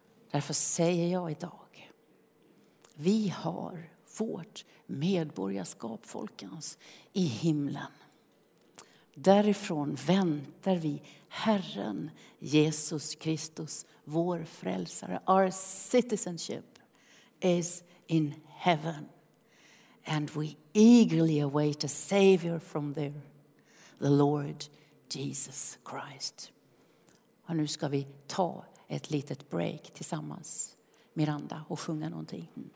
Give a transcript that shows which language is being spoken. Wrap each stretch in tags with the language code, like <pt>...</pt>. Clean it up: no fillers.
<sv>Därför säger jag idag, vi har vårt medborgarskap, folkens, i himlen. Därifrån väntar vi Herren Jesus Kristus, vår frälsare.</sv> <en>Our citizenship is in heaven. And we eagerly await a savior from there, the Lord Jesus Christ.</en> <sv>Och nu ska vi ta ett litet break tillsammans, Miranda, och sjunga någonting.</sv>